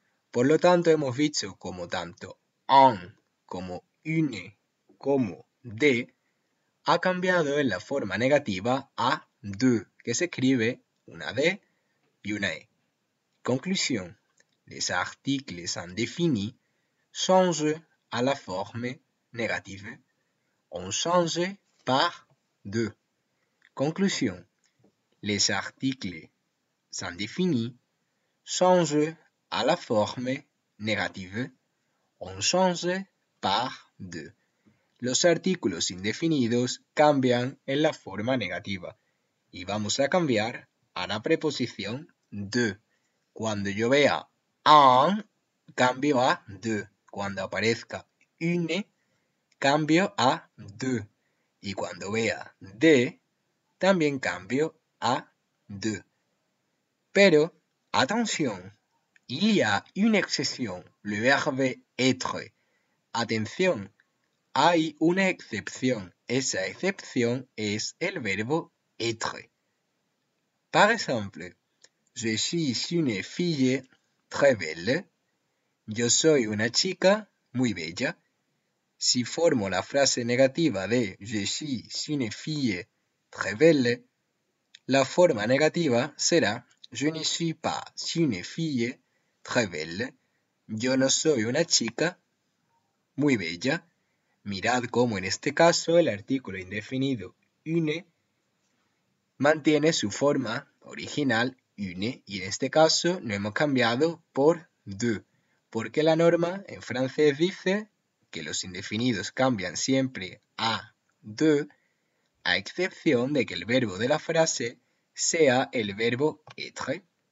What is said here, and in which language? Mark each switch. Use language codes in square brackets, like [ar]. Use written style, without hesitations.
[es] Por lo tanto, hemos visto como tanto un como une como de ha cambiado en la forma negativa a de, que se escribe una d y una e. Conclusión. [fr] Les articles indéfinis changent à la forme négative. On change par de. Conclusión. Les articles indéfinis changent à la forme négative. On change par de. [es] Los artículos indefinidos cambian en la forma negativa. Y vamos a cambiar a la preposición de. Cuando yo vea un, cambio a de. Cuando aparezca une, cambio a de. Y cuando vea de, también cambio a de. Pero, atención, [fr] il y a une exception, le verbe être. [es] Atención, hay una excepción. Esa excepción es el verbo être. [fr] Par exemple, je suis une fille très belle. [es] Yo soy una chica muy bella. Si formo la frase negativa de [fr] je suis une fille très belle, [es] la forma negativa será [fr] je ne suis pas une fille très belle. [es] Yo no soy una chica muy bella. Mirad cómo en este caso el artículo indefinido une mantiene su forma original une y en este caso no hemos cambiado por de, porque la norma en francés dice que los indefinidos cambian siempre a de, a excepción de que el verbo de la frase sea el verbo être.